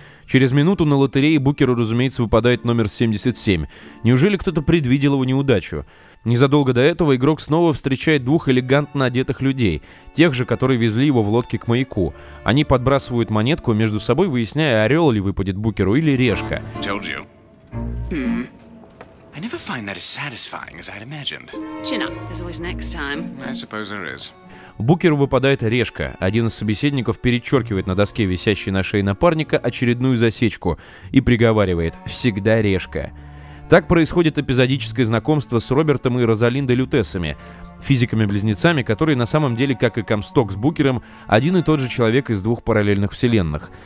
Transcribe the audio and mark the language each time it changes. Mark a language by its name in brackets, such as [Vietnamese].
[Russian] Через минуту на лотерее букеру, разумеется, выпадает номер 77. Неужели кто-то предвидел его неудачу? Незадолго до этого игрок снова встречает двух элегантно одетых людей, тех же, которые везли его в лодке к маяку. Они подбрасывают монетку между собой, выясняя, орел ли выпадет букеру или решка. [English] I never find that as satisfying as I'd imagined. Chin up, there's always next time. I suppose there is. [Russian] Букеру выпадает решка. Один из собеседников перечеркивает на доске, висящей на шее напарника, очередную засечку и приговаривает: «Всегда решка». Так происходит эпизодическое знакомство с Робертом и Розалиндой Лютесами, физиками-близнецами, которые на самом деле, как и Комсток с Букером, один и тот же человек из двух параллельных вселенных.